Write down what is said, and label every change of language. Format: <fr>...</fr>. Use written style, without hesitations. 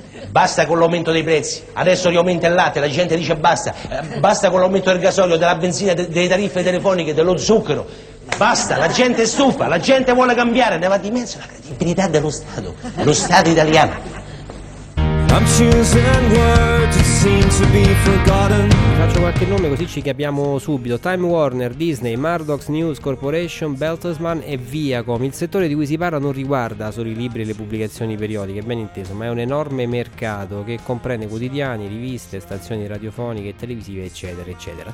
<it>basta con l'aumento dei prezzi, adesso riaumenta il latte, la gente dice basta, basta con l'aumento del gasolio, della benzina, delle tariffe telefoniche, dello zucchero, basta, la gente è stufa, la gente vuole cambiare, ne va di mezzo la credibilità dello Stato italiano.</it> <en>I'm choosing words that seem to be forgotten.</en> <it>Faccio qualche nome così ci capiamo subito: Time Warner, Disney, Murdoch News Corporation, Bertelsmann e Viacom. Il settore di cui si parla non riguarda solo i libri e le pubblicazioni periodiche, ben inteso, ma è un enorme mercato che comprende quotidiani, riviste, stazioni radiofoniche, televisive, eccetera, eccetera.</it>